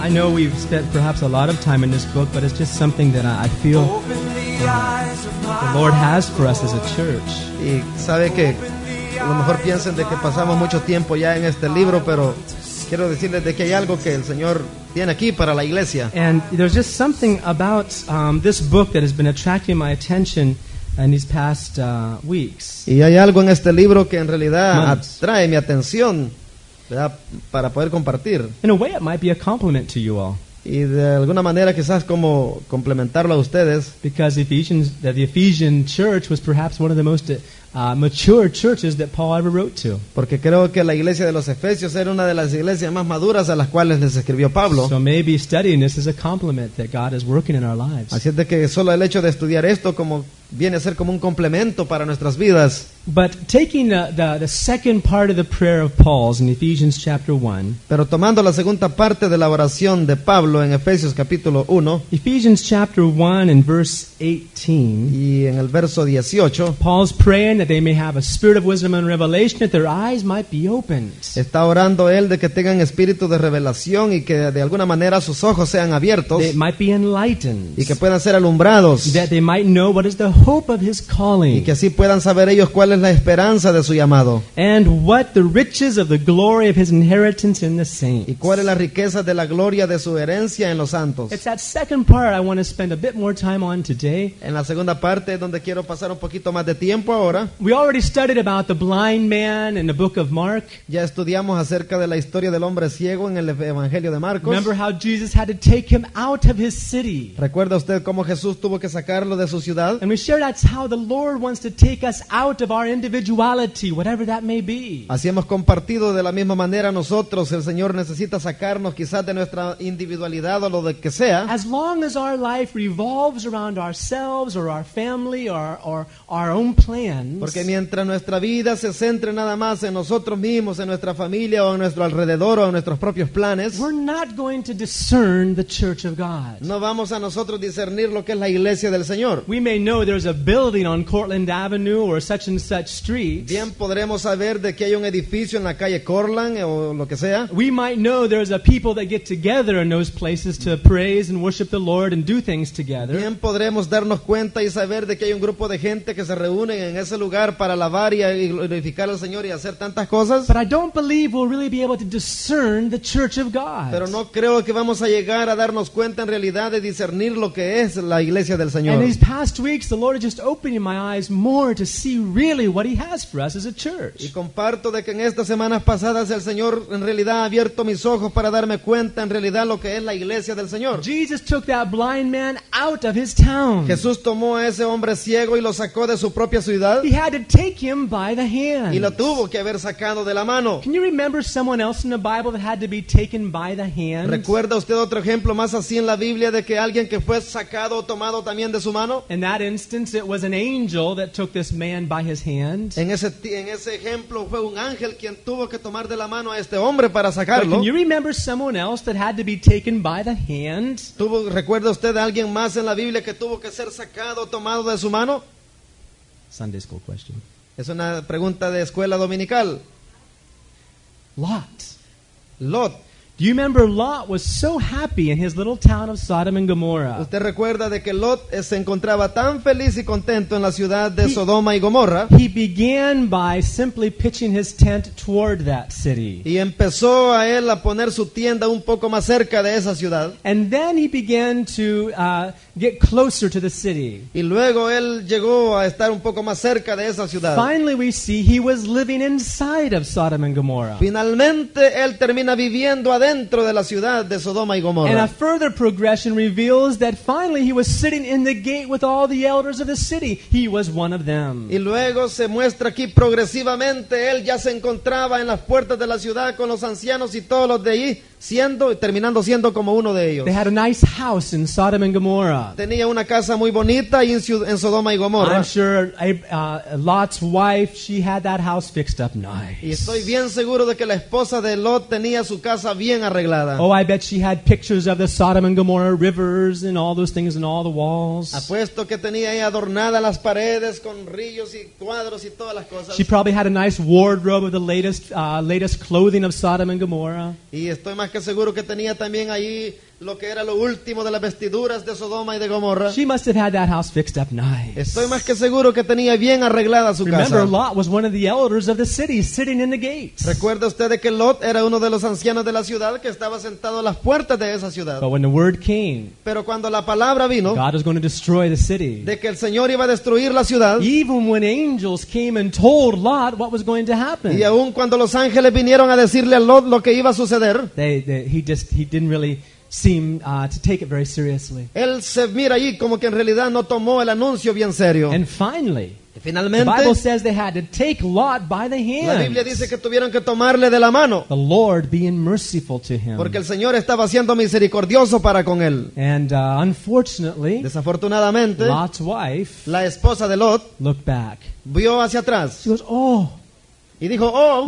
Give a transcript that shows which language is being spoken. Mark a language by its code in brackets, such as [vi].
[en] I know we've spent perhaps a lot of time in this book, but it's just something that I feel the Lord has for us as a church. [es] Y sabe que a lo mejor piensen de que pasamos mucho tiempo ya en este libro, pero quiero decirles de que hay algo que el Señor tiene aquí para la iglesia. [en] And there's just something about this book that has been attracting my attention in these past weeks. [es] Y hay algo en este libro que en realidad atrae mi atención, ¿verdad? Para poder compartir. [en] In a way, it might be a compliment to you all. [es] Y de alguna manera quizás como complementarlo a ustedes. [en] Because the Ephesian church was perhaps one of the most mature churches that Paul ever wrote to. [es] Porque creo que la iglesia de los Efesios era una de las iglesias más maduras a las cuales les escribió Pablo. [en] So maybe studying this is a compliment that God is working in our lives. [es] Así es de que solo el hecho de estudiar esto como viene a ser como un complemento para nuestras vidas. [en] But taking the second part of the prayer of Paul's in Ephesians chapter 1. [es] Pero tomando la segunda parte de la oración de Pablo en Efesios capítulo 1. [en] Ephesians chapter 1 and verse 18. [es] Y en el verso 18. [en] Paul's praying that they may have a spirit of wisdom and revelation that their eyes might be opened. [es] Está orando él de que tengan espíritu de revelación y que de alguna manera sus ojos sean abiertos. [en] They might be enlightened. [es] Y que puedan ser alumbrados. [en] That they might know what is the hope of his calling. [es] Y que así puedan saber ellos cuál es la esperanza de su llamado. [en] And what the riches of the glory of his inheritance in the saints. [es] Y cuál es la riqueza de la gloria de su herencia en los santos. [en] It's that second part I want to spend a bit more time on today. [es] En la segunda parte donde quiero pasar un poquito más de tiempo ahora. [en] We already studied about the blind man in the book of Mark. [es] Ya estudiamos acerca de la historia del hombre ciego en el evangelio de Marcos. [en] Remember how Jesus had to take him out of his city. [es] ¿Recuerda usted cómo Jesús tuvo que sacarlo de su ciudad? [en] And we share that's how the Lord wants to take us out of our individuality, whatever that may be. [es] Así hemos compartido de la misma manera nosotros. El Señor necesita sacarnos quizás de nuestra individualidad o lo de que sea. [en] As long as our life revolves around ourselves or our family or our own plans. [es] Porque mientras nuestra vida se centre nada más en nosotros mismos, en nuestra familia o en nuestro alrededor o en nuestros propios planes. [en] We're not going to discern the church of God. [es] No vamos a nosotros discernir lo que es la iglesia del Señor. [en] We may know there's a building on Cortland Avenue or such and such street. [es] Bien podremos saber de que hay un edificio en la calle Cortland o lo que sea. [en] We might know there's a people that get together in those places to praise and worship the Lord and do things together. [es] Bien podremos darnos cuenta y saber de que hay un grupo de gente que se reúnen en ese lugar para alabar y glorificar al Señor y hacer tantas cosas. [en] But I don't believe we'll really be able to discern the church of God. [es] Pero no creo que vamos a llegar a darnos cuenta en realidad de discernir lo que es la iglesia del Señor. [en] And these past weeks the Lord is just opening my eyes more to see really what he has for us as a church. [es] Y comparto de que en estas semanas pasadas el Señor en realidad ha abierto mis ojos para darme cuenta en realidad lo que es la iglesia del Señor. [en] Jesus took that blind man out of his town. [es] Jesús tomó a ese hombre ciego y lo sacó de su propia ciudad. [en] He had to take him by the hand. [es] Y lo tuvo que haber sacado de la mano. [en] Can you remember someone else in the Bible that had to be taken by the hand? [es] ¿Recuerda usted otro ejemplo más así en la Biblia de que alguien que fue sacado o tomado también de su mano? [en] In that instance it was an angel that took this man by his hand. [es] En ese ejemplo fue un ángel quien tuvo que tomar de la mano a este hombre para sacarlo. [en] But can you remember someone else that had to be taken by the hand? [es] ¿Recuerda usted a alguien más en la Biblia que tuvo que ser sacado o tomado de su mano? [en] Sunday school question. [es] Es una pregunta de escuela dominical. [en] Lot. Do you remember Lot was so happy in his little town of Sodom and Gomorrah? [es] ¿Usted recuerda de que Lot se encontraba tan feliz y contento en la ciudad de Sodoma y Gomorra? [en] He began by simply pitching his tent toward that city. [es] Y empezó a él a poner su tienda un poco más cerca de esa ciudad. [en] And then he began to get closer to the city. [es] Y luego él llegó a estar un poco más cerca de esa ciudad. [en] Finally we see he was living inside of Sodom and Gomorrah. [es] Finalmente él termina viviendo adentro de la ciudad de Sodoma y Gomorra. [en] And a further progression reveals that finally he was sitting in the gate with all the elders of the city. He was one of them. [es] Y luego se muestra aquí progresivamente él ya se encontraba en las puertas de la ciudad con los ancianos y todos los de allí siendo y terminando siendo como uno de ellos. [en] They had a nice house in Sodom and Gomorrah. [es] Tenía una casa muy bonita en Sodoma y Gomorra. [en] I'm sure Lot's wife, she had that house fixed up nice. [es] Y estoy bien seguro de que la esposa de Lot tenía su casa bien arreglada. [en] Oh, I bet she had pictures of the Sodom and Gomorrah rivers and all those things and all the walls. [es] Apuesto que tenía ahí adornadas las paredes con ríos y cuadros y todas las cosas. [en] She probably had a nice wardrobe of the latest clothing of Sodom and Gomorrah. [es] Y estoy más que seguro que tenía también ahí lo que era lo último de las vestiduras de Sodoma y de Gomorra. [en] She must have had that house fixed up nice. [es] Estoy más que seguro que tenía bien arreglada su casa. [en] Remember, Lot was one of the elders of the city, sitting in the gates. [es] Recuerda usted de que Lot era uno de los ancianos de la ciudad que estaba sentado a las puertas de esa ciudad. [en] But when the word came, [es] pero cuando la palabra vino, [en] God was going to destroy the city. [es] De que el Señor iba a destruir la ciudad. [en] Even when angels came and told Lot what was going to happen. [es] Y aun cuando los ángeles vinieron a decirle a Lot lo que iba a suceder. [en] He didn't really seem to take it very seriously. [es] Él se mira ahí como que en realidad no tomó el anuncio bien serio. [en] And finally, [es] finalmente, [en] the Bible says they had to take Lot by the hand. [es] La Biblia dice que tuvieron que tomarle de la mano. [en] The Lord being merciful to him. [es] Porque el Señor estaba siendo misericordioso para con él. [en] And unfortunately, [es] desafortunadamente, [en] Lot's wife, [es] la esposa de Lot, [en] looked back. [es] Vio hacia atrás. [en] She goes, "Oh." [es] Y dijo, "Oh,